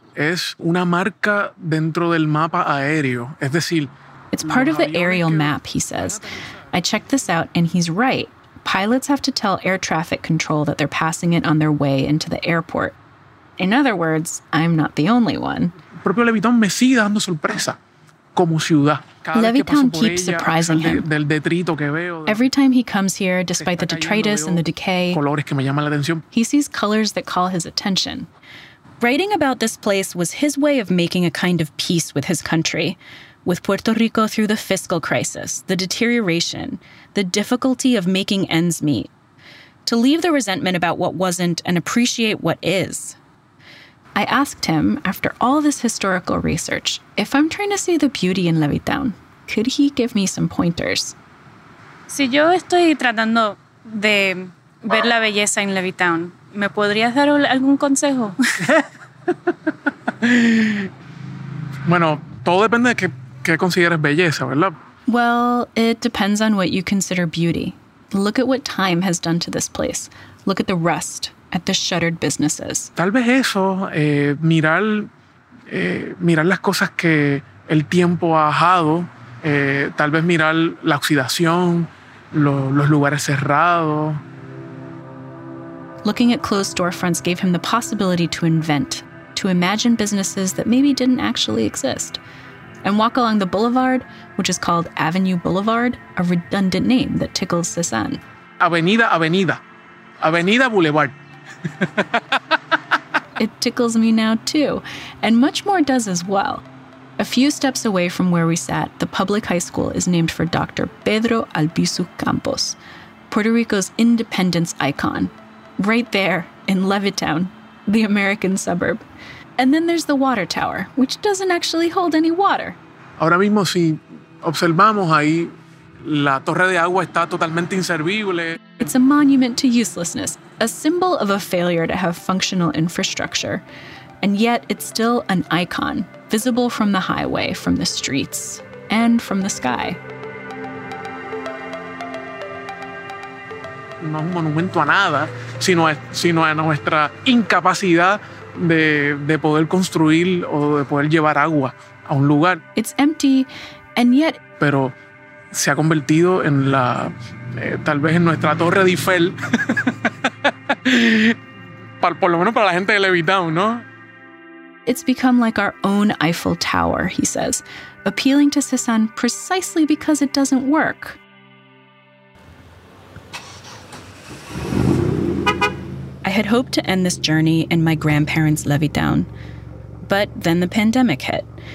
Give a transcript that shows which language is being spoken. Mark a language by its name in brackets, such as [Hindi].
[Spanish] Es una marca dentro del mapa aéreo. Es decir, [English] it's part of the aerial map, he says. I checked this out, and he's right. Pilots have to tell air traffic control that they're passing it on their way into the airport. In other words, I'm not the only one. [Spanish] Propio Levittown me sigue dando sorpresa como ciudad. [English] Levittown keeps surprising him. [Spanish] Del detrito que veo, [English] every time he comes here, despite the detritus and the decay, [Spanish] colores que me llaman la atención. [English] He sees colors that call his attention. Writing about this place was his way of making a kind of peace with his country, with Puerto Rico through the fiscal crisis, the deterioration, the difficulty of making ends meet, to leave the resentment about what wasn't and appreciate what is. I asked him, after all this historical research, if I'm trying to see the beauty in Levittown, could he give me some pointers? [Spanish] Si yo estoy tratando de ver la belleza en Levittown, ¿me podrías dar algún consejo? Bueno, todo depende de qué consideres belleza, ¿verdad? [English] Well, it depends on what you consider beauty. Look at what time has done to this place. Look at the rust, at the shuttered businesses. [Spanish] Tal vez eso, mirar las cosas que el tiempo ha dejado, tal vez mirar la oxidación, los lugares cerrados. [English] Looking at closed storefronts gave him the possibility to invent, to imagine businesses that maybe didn't actually exist. And walk along the boulevard, which is called Avenue Boulevard, a redundant name that tickles Cezan. [Spanish] Avenida, Avenida. Avenida Boulevard. [English] It tickles me now too, and much more does as well. A few steps away from where we sat, the public high school is named for Dr. Pedro Albizu Campos, Puerto Rico's independence icon. Right there, in Levittown, the American suburb. And then there's the water tower, which doesn't actually hold any water. [Spanish] Ahora mismo, si observamos ahí, la torre de agua está totalmente inservible. [English] It's a monument to uselessness, a symbol of a failure to have functional infrastructure. And yet, it's still an icon, visible from the highway, from the streets, and from the sky. [Spanish] No es un monumento a nada, sino a nuestra incapacidad de poder construir o de poder llevar agua a un lugar. [English] It's empty, and yet... [Spanish] Pero se ha convertido en la... tal vez en nuestra Torre Eiffel. Por lo menos para la gente de Levittown, ¿no? [English] It's become like our own Eiffel Tower, he says, appealing to Cezan precisely because it doesn't work. I had hoped to end this journey in my grandparents' Levittown, but then the pandemic hit.